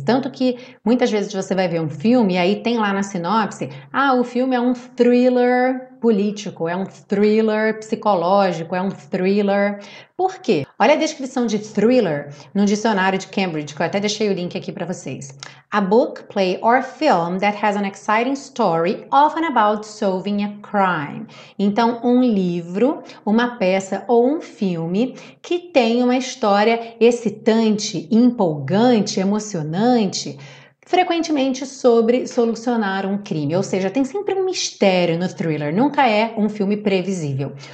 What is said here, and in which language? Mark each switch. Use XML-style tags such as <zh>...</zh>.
<pt>Tanto que muitas vezes você vai ver um filme e aí tem lá na sinopse: ah, o filme é um thriller político, é um thriller psicológico, é um thriller. Por quê? Olha a descrição de thriller no dicionário de Cambridge, que eu até deixei o link aqui para vocês.</pt> <en>A book, play or film that has an exciting story, often about solving a crime.</en> <pt>Então, um livro, uma peça ou um filme que tem uma história excitante, empolgante, emocionante, frequentemente sobre solucionar um crime. Ou seja, tem sempre um mistério no thriller, nunca é um filme previsível.</pt>